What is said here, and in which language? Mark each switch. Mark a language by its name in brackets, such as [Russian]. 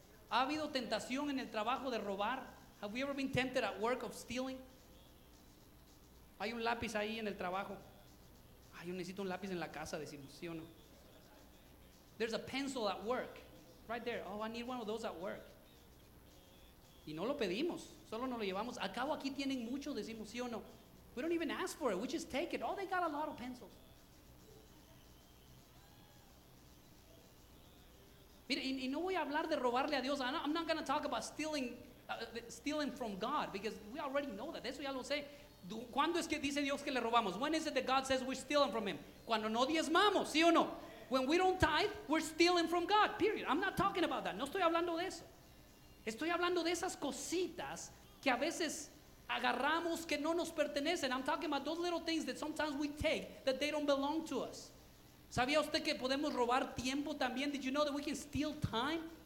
[Spanish] ¿Ha habido tentación en el trabajo de robar? [English] Have we ever been tempted at work of stealing? [Spanish] Hay un lápiz ahí en el trabajo. Ay, yo necesito un lápiz en la casa, decimos, ¿sí o no? [English] There's a pencil at work. Right there. Oh, I need one of those at work. [Spanish] Y no lo pedimos, solo nos lo llevamos. Acabo aquí tienen mucho, decimos, ¿sí o no? [English] We don't even ask for it, we just take it. Oh, they got a lot of pencils. [Spanish] Mire, y no voy a hablar de robarle a Dios. [English] I'm not going to talk about stealing from God, because we already know that. [Spanish] Eso ya lo sé. ¿Cuándo es que dice Dios que le robamos? [English] When is it that God says we're stealing from him? [Spanish] Cuando no diezmamos, ¿sí o no? [English] When we don't tithe, we're stealing from God, period. I'm not talking about that. [Spanish] No estoy hablando de eso. Estoy hablando de esas cositas que a veces agarramos que no nos pertenecen. [English] I'm talking about those little things that sometimes we take that they don't belong to us. [Spanish] ¿Sabía usted que podemos robar tiempo también? [English] Did you know that we can steal time?